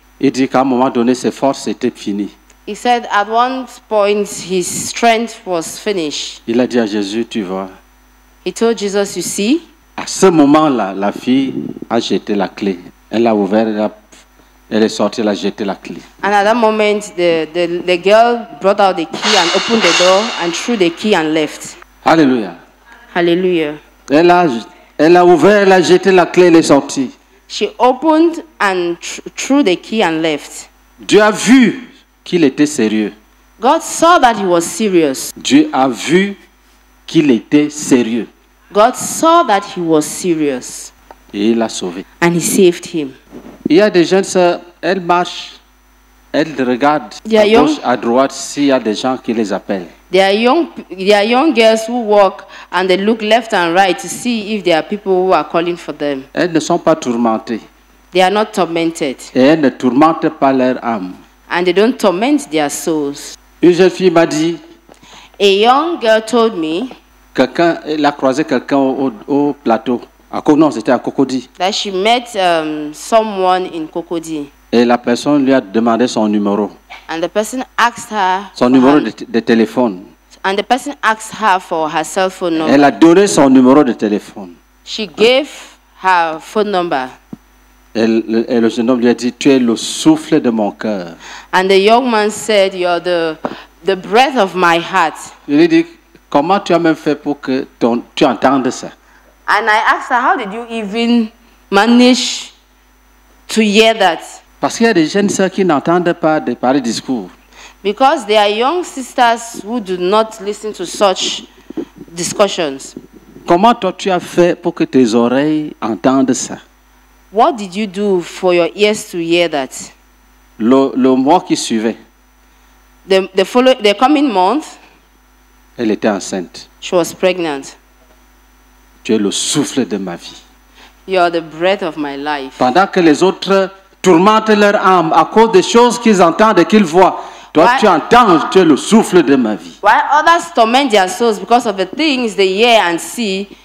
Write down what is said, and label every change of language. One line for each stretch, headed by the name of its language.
French: Il dit qu'à un moment donné, ses forces étaient finies.
English: He said at one point his strength was finished.
French: Il a dit à Jésus, tu vois.
English: He told Jesus, you see.
French: À ce moment-là, la fille a jeté la clé. Elle l'a ouverte, elle est sortie, elle a jeté la clé.
English: And at that moment, the girl brought out the key and opened the door and threw the key and left. Alléluia. Alléluia.
French: Elle a ouvert, elle a jeté la clé, elle est sortie.
English: She opened and threw the key and left.
French: Dieu a vu qu'il était sérieux.
English: God saw that he was serious.
French: Dieu a vu qu'il était sérieux.
English: God saw that he was serious.
French: Et il l'a sauvé.
English: And he saved him.
French: Il y a des jeunes sœurs, elles marchent, elles regardent à gauche, à droite, s'il y a des gens qui les appellent.
English: There are young girls who walk and they look left and right to see if there are people who are calling for them.
French: Elles ne sont pas tourmentées.
English: They are not tormented.
French: Et elles ne tourmentent pas leur âme.
English: And they don't torment their souls.
French: Une jeune fille m'a dit.
English: A young girl told me.
French: Quelqu'un, elle a croisé quelqu'un au plateau. Non, c'était à Cocody.
English: That she met someone in Cocody.
French: Et la personne lui a demandé son numéro.
English: And the person asked her.
French: Son numéro de téléphone.
English: And the person asked her for her cell phone number.
French: Elle a donné son numéro de téléphone.
English: She gave her phone number.
French: Et le jeune homme lui a dit, tu es le souffle de mon cœur.
English: And the young man said, you're the breath of my heart.
French: Il dit, comment tu as même fait pour que tu entendes ça?
English: And I asked her, how did you even manage to hear that?
French: Parce qu'il y a des jeunes sœurs qui n'entendent pas de pareils discours.
English: Because there are young sisters who do not listen to such discussions.
French: Comment toi tu as fait pour que tes oreilles entendent ça?
English: What did you do for your ears to hear that?
French: Le mois qui suivait.
English: The coming month.
French: Elle était enceinte.
English: She was pregnant.
French: Tu es le souffle de ma vie.
English: You are the breath of my life.
French: Pendant que les autres tourmentent leur âme à cause des choses qu'ils entendent et qu'ils voient, toi tu entends, tu es le souffle de ma vie.
English: While others torment their souls because of the things they hear and see,